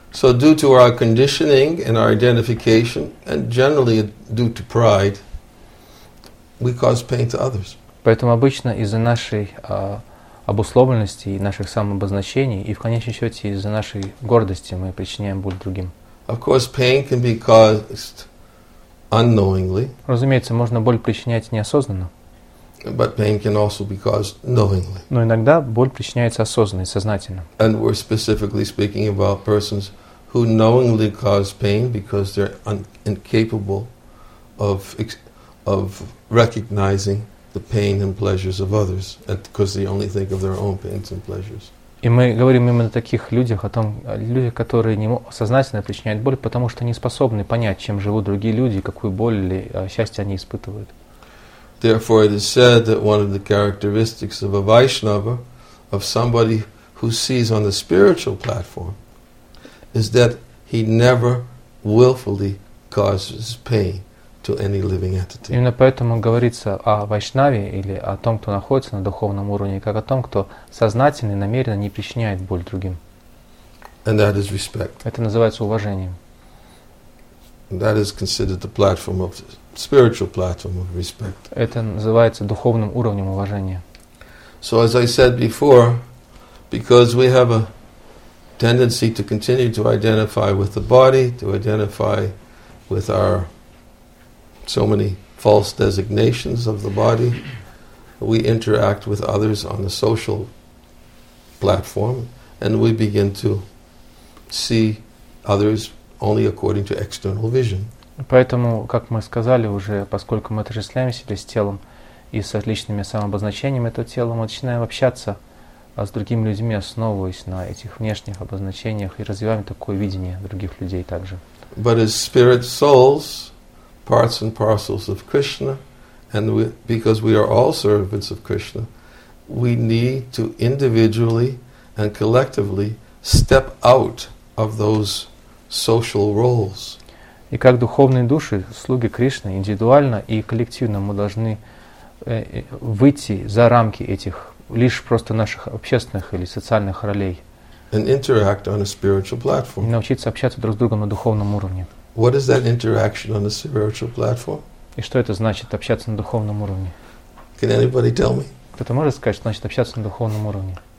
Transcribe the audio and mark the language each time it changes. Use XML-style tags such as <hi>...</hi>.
<en>So due to our conditioning and our identification, and generally due to pride, we cause pain to others.</en> <ru>Поэтому обычно из-за нашей обусловленности и наших самообозначений и в конечном счете из-за нашей гордости мы причиняем боль другим.</ru> <en>Of course, pain can be caused unknowingly.</en> <ru>Разумеется, можно боль причинять неосознанно.</ru> <en>But pain can also be caused knowingly.</en> <ru>Но иногда боль причиняется осознанно и сознательно.</ru> <en>And we're specifically speaking about persons who knowingly cause pain because they're incapable of recognizing the pain and pleasures of others, because they only think of their own pains and pleasures.</en> <ru>И мы говорим именно о таких людях, о том, люди, которые не сознательно причиняют боль, потому что не способны понять, чем живут другие люди, какую боль или счастье они испытывают.</ru> <en>Therefore, it is said that one of the characteristics of a Vaishnava, of somebody who sees on the spiritual platform, is that he never willfully causes pain to any living entity.</en> <ru>Именно поэтому говорится о Вайшнаве или о том, кто находится на духовном уровне, как о том, кто сознательно и намеренно не причиняет боль другим.</ru> <en>And that is respect.</en> <ru>Это называется уважением.</ru> <en>And that is considered the platform of spiritual platform of respect.</en> <ru>Это называется духовным уровнем уважения.</ru> <en>So as I said before, because we have a tendency to continue to identify with the body, to identify with our so many false designations of the body, we interact with others on the social platform, and we begin to see others only according to external vision.</en> <ru>Поэтому, как мы сказали уже, поскольку мы отождествляем себя с телом и с различными самообозначениями этого тела, мы начинаем общаться с другими людьми, основываясь на этих внешних обозначениях, и развиваем такое видение других людей также.</ru> <en>But as spirit souls, parts and parcels of Krishna, and we, because we are all servants of Krishna, we need to individually and collectively step out of those social roles.</en> <ru>И как духовные души, слуги Кришны, индивидуально и коллективно мы должны выйти за рамки этих лишь просто наших общественных или социальных ролей.</ru> <en>And interact on a spiritual platform.</en> <ru>И научиться общаться друг с другом на духовном уровне.</ru> <en>What is that interaction on a spiritual platform?</en> <ru>И что это значит общаться на духовном уровне?</ru> <en>Can anybody tell me?</en> <ru>Кто-то может сказать, что значит общаться на духовном уровне?</ru>